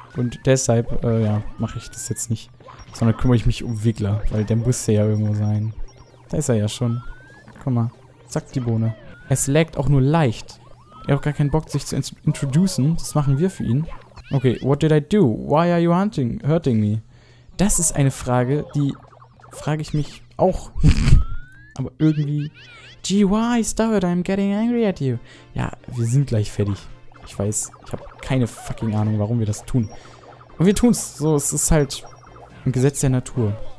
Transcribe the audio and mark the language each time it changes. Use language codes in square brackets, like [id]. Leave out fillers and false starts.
[de] Und deshalb, ja, mache ich das jetzt nicht. Sondern kümmere ich mich um Wiggler, weil der muss ja irgendwo sein. Da ist er ja schon. Guck mal. Zack, die Bohne. Es laggt auch nur leicht. Er hat gar keinen Bock, sich zu introducen. Das machen wir für ihn. [en] Okay, what did I do? Why are you hurting me? [de] Das ist eine Frage, die frage ich mich auch. Aber irgendwie... [en] GY, Starbird, I'm getting angry at you. [de] Ja, wir sind gleich fertig. Ich weiß, ich habe keine fucking Ahnung, warum wir das tun. Und wir tun's. So, es ist halt ein Gesetz der Natur.